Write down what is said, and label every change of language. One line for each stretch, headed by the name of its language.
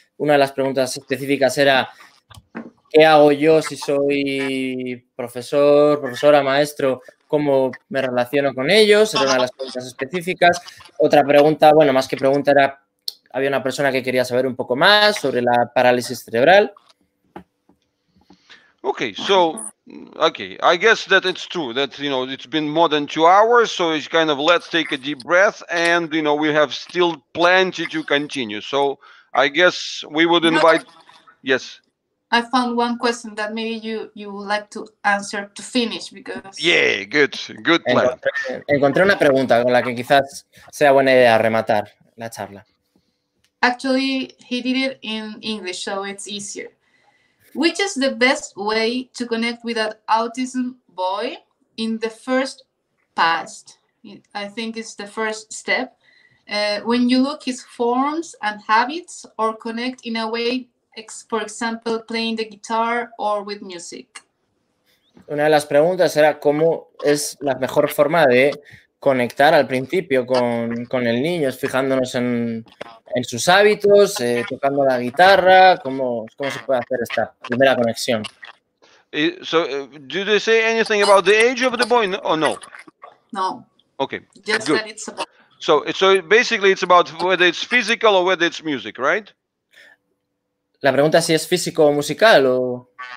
Spanish: Una de las preguntas específicas era, ¿qué hago yo si soy profesor, profesora, maestro? ¿Cómo me relaciono con ellos? Era una de las preguntas específicas. Otra pregunta, bueno, más que pregunta, era, había una persona que quería saber un poco más sobre la parálisis cerebral.
English: Okay, so, okay, I guess that it's true that, you know, it's been more than 2 hours, so it's kind of, let's take a deep breath and, you know, we have still plenty to continue. So, I guess we would invite, yes. I found one question that maybe you would like to answer to finish because... Yeah, good, good plan.
Spanish: Encontré una pregunta con la que quizás sea buena idea rematar la charla.
English: Actually, he did it in English, so it's easier. Which is the best way to connect with an autism boy in the first past? I think it's the first step. When you look his forms and habits or connect in a way, for example, playing the guitar or with music.
Spanish: Una de las preguntas era cómo es la mejor forma de conectar al principio con el niño, fijándonos en sus hábitos, tocando la guitarra, cómo se puede hacer esta primera conexión.
English: So, do they say anything about the age of the boy or no? No. Okay. Just good. That it's about. So basically it's about whether it's physical or whether it's music, right?
Spanish: La pregunta es si es físico o musical o.